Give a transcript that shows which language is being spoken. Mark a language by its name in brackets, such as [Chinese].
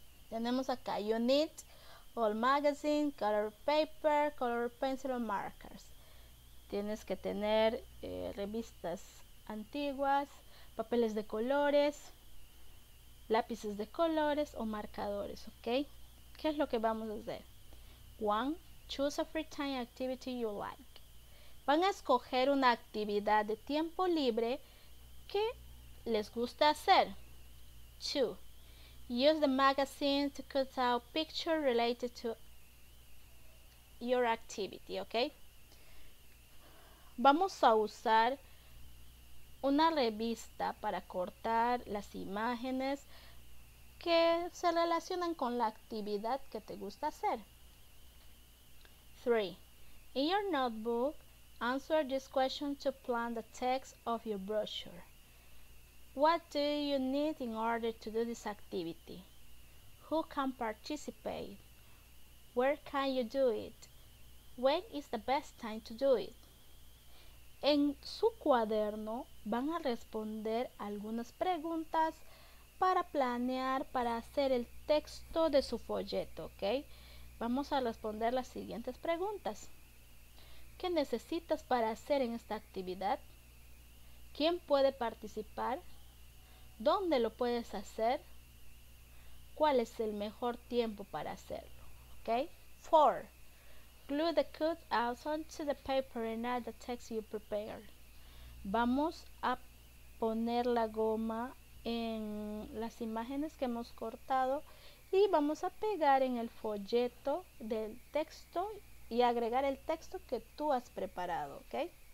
[Spanish] Tenemos acá, [English] you need all magazine, color paper, color pencil or markers. [Spanish] Tienes que tener revistas antiguas, papeles de colores, lápices de colores o marcadores, ¿ok? ¿Qué es lo que vamos a hacer? [English] One, choose a free time activity you like. [Spanish] Van a escoger una actividad de tiempo libre que les gusta hacer. [English] Two, use the magazine to cut out pictures related to your activity, ¿ok? [Spanish] Vamos a usar una revista para cortar las imágenes que se relacionan con la actividad que te gusta hacer. [English] 3. In your notebook, answer this question to plan the text of your brochure. What do you need in order to do this activity? Who can participate? Where can you do it? When is the best time to do it? [Spanish] En su cuaderno van a responder algunas preguntas para planear, para hacer el texto de su folleto, ¿ok? Vamos a responder las siguientes preguntas. ¿Qué necesitas para hacer en esta actividad? ¿Quién puede participar? ¿Dónde lo puedes hacer? ¿Cuál es el mejor tiempo para hacerlo? ¿Ok? 4. [English] Glue the cutouts onto the paper and add the text you prepared. [Spanish] Vamos a poner la goma en las imágenes que hemos cortado y vamos a pegar en el folleto del texto y agregar el texto que tú has preparado, ¿ok?